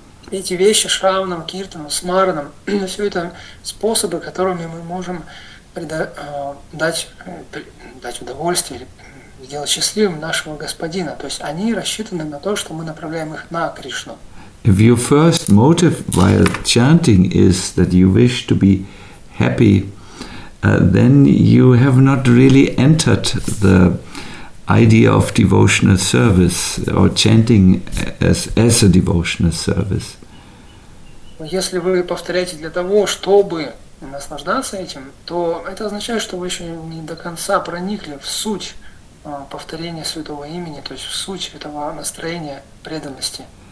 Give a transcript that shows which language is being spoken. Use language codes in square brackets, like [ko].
[ru] Эти вещи, шравнам, киртанам, смаранам, все это способы, которыми мы можем дать удовольствие или сделать счастливым нашего господина. То есть они рассчитаны на то, что мы направляем их на Кришну. [en] If your first motive while chanting is that you wish to be happy, then you have not really entered the idea of devotional service or chanting as a devotional service. [ru] Если вы повторяете для того, чтобы наслаждаться этим, то это означает, что вы еще не до конца проникли в суть повторения святого имени, то есть в суть этого настроения преданности.